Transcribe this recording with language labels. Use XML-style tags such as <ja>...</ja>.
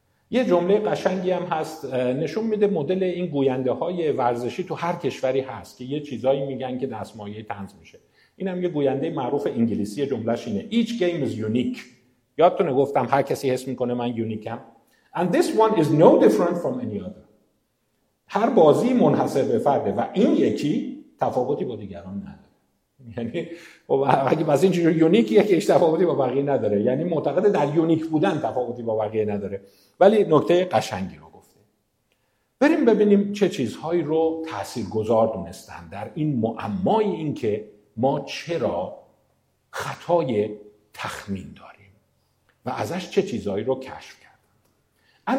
<fa>یه جمله قشنگی هم هست، نشون میده مدل این گوینده های ورزشی تو هر کشوری هست که یه چیزایی میگن که دستمایه طنز میشه. اینم یه گوینده معروف انگلیسی، جملهش اینه:</fa> <en>Each game is unique.</en> <fa>یادتونه گفتم هر کسی حس میکنه من یونیکم.</fa> <en>And this one is no different from any other.</en> <fa>هر بازی منحصر به فرده و این یکی تفاوتی با دیگران نداره. یعنی اگه بازی اینجوری یونیکیه که هیچ تفاوتی با بقیه نداره، یعنی معتقد در یونیک بودن تفاوتی با بقیه نداره. ولی نکته قشنگی رو گفته. بریم ببینیم چه چیزهایی رو تاثیرگذار دونستن در این معمای این که ما چرا خطای تخمین داریم و ازش چه چیزهایی رو کشف کردن.</fa>